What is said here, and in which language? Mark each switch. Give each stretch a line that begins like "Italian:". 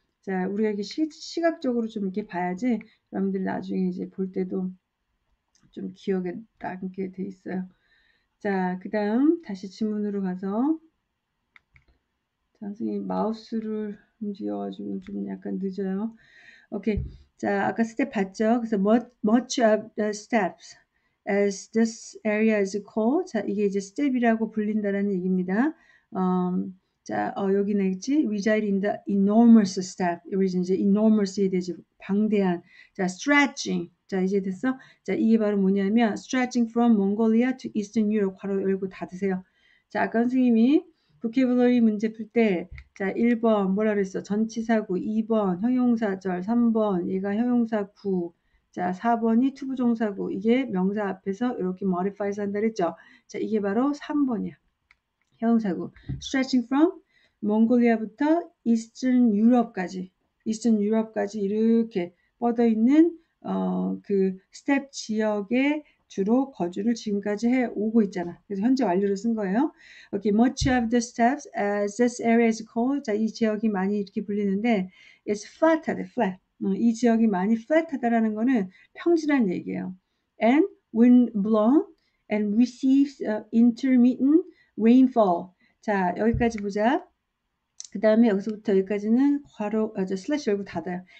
Korean: 자, 우리가 이렇게 시각적으로 좀 이렇게 봐야지 여러분들이 나중에 이제 볼 때도 좀 기억에 남게 돼 있어요. 자, 그다음 다시 지문으로 가서 자, 선생님 마우스를 움직여가지고 좀 약간 늦어요. 오케이. 자, 아까 스텝 봤죠? 그래서
English: much of the steps as this area is called.
Korean: 자, 이게 이제 스텝이라고 불린다는 얘기입니다. 자, 여기는 있지?
English: reside in the enormous step.
Korean: 여기서 이제 enormous이 되지. 방대한. 자, stretching. 자, 이제 됐어? 자, 이게 바로 뭐냐면
English: stretching from Mongolia to Eastern Europe.
Korean: 괄호 열고 닫으세요. 자, 아까 선생님이 vocabulary 문제 풀 때, 자, 1번, 뭐라 그랬어? 전치사구, 2번, 형용사절, 3번, 얘가 형용사구, 자, 4번이 투부정사구. 이게 명사 앞에서 이렇게 modifies 한다 그랬죠? 자, 이게 바로 3번이야. 형용사구.
English: Stretching from Mongolia부터 Eastern Europe까지.
Korean: Eastern Europe까지 이렇게 뻗어 있는, 그, 스텝 지역에 주로 거주를 지금까지 해 오고 있잖아. 그래서 현재 완료를 쓴 거예요.
English: Okay, much of the steps as this area is called.
Korean: 자, 이 지역이 많이 이렇게 불리는데,
English: it's flat
Korean: 하대, flat. 이 지역이 많이 flat하다라는 거는 평지란 얘기예요.
English: And wind blown and receives intermittent rainfall.
Korean: 자, 여기까지 보자. 그 다음에 여기서부터 여기까지는 괄호, 아, 저 슬래시 열고 닫아요.